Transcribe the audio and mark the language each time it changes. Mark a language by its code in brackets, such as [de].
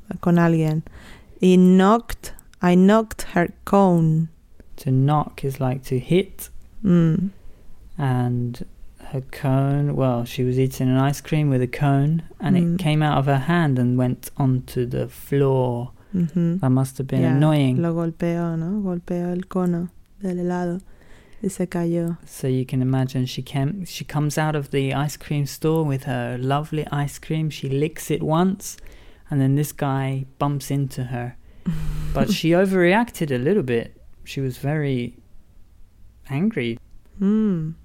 [es] Con alguien. [en] He knocked, I knocked her cone. To knock is like to hit. Mm. And her cone, well, she was eating an ice cream with a cone and it came out of her hand and went onto the floor. Mm-hmm. That must have been annoying. [es] Lo golpeó, ¿no? Golpeó el cono del helado y se cayó. [en] So you can imagine she comes out of the ice cream store with her lovely ice cream. She licks it once and then this guy bumps into her. But she overreacted a little bit. She was very angry. Mm.